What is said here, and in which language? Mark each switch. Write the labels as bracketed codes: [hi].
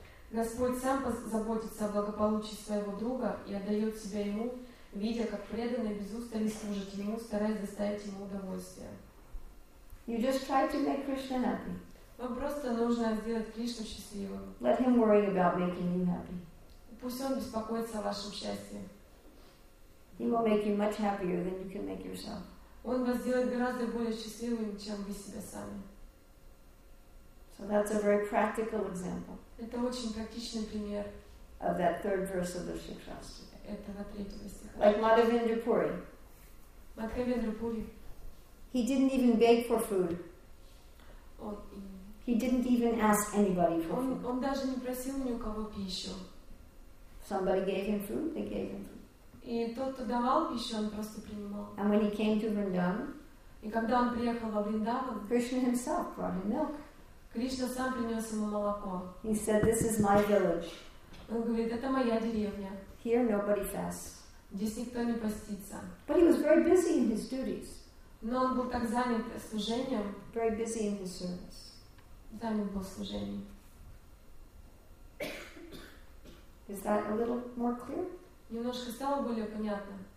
[ru] Господь сам заботится о благополучии своего друга и отдает себя ему, видя, как преданный без устали служит ему, стараясь доставить ему удовольствие. [en] You just try to make Krishna happy. [ru] Вам просто нужно сделать Кришну счастливым. [en] Let him worry about making you happy. [ru] Пусть он беспокоится о вашем счастье. [en] He will make you much happier than you can make yourself. [ru] Он вас сделает гораздо более счастливым, чем вы себя сами. [en] So that's a very practical example. [ru] Это очень практичный пример. [en] Of that third verse of the Shikshastra. [ru] Этого третьего стиха. [en] Like Madhavendrapuri. Madhavendrapuri. He didn't even beg for food. He didn't even ask anybody for food. [ru] Он даже не просил ни у кого пищу. [en] Somebody gave him food, they gave him food. [ru] И тот, кто давал пищу, он просто принимал. [en] And when he came to Vrindavan, [ru] и когда он приехал во Вриндаван, [en] Krishna himself brought him milk. [ru] Кришна сам принес ему молоко. [en] He said, "This is my village." [ru] Он говорит, это моя деревня. [en] Here nobody fasts. [ru] Здесь никто не постится. [en] But he was very busy in his duties. [ru] Но он был так занят служением. [en] Very busy in his service. [ru] Занят был служением. [en] Is that a little more clear? [ru] Немножко стало более понятно.